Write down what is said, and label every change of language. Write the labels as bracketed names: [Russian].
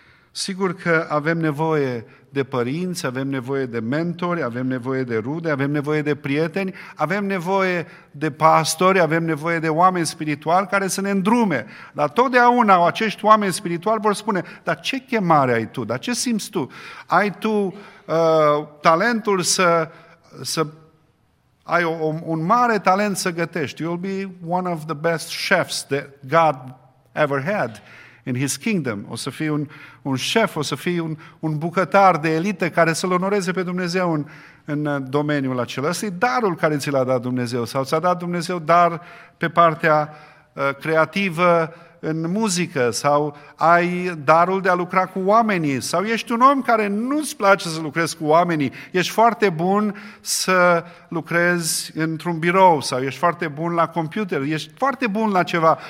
[Romanian] Sigur că avem nevoie de părinți, avem nevoie de mentori, avem nevoie de rude, avem nevoie de prieteni, avem nevoie de pastori, avem nevoie de oameni spirituali care să ne îndrume. Dar totdeauna acești oameni spirituali vor spune: dar ce chemare ai tu? Dar ce simți tu? Ai tu talentul să ai un mare talent să gătești. [English] You'll be one of the best chefs that God ever had in his kingdom. [Romanian] O să fii un șef, o să fii un bucătar de elită care să-L onoreze pe Dumnezeu în domeniul acela. Asta e darul care ți l-a dat Dumnezeu. Sau ți-a dat Dumnezeu dar pe partea creativă în muzică, sau ai darul de a lucra cu oamenii, sau ești un om care nu-ți place să lucrezi cu oamenii, ești foarte bun să lucrezi într-un birou, sau ești foarte bun la computer, ești foarte bun la ceva.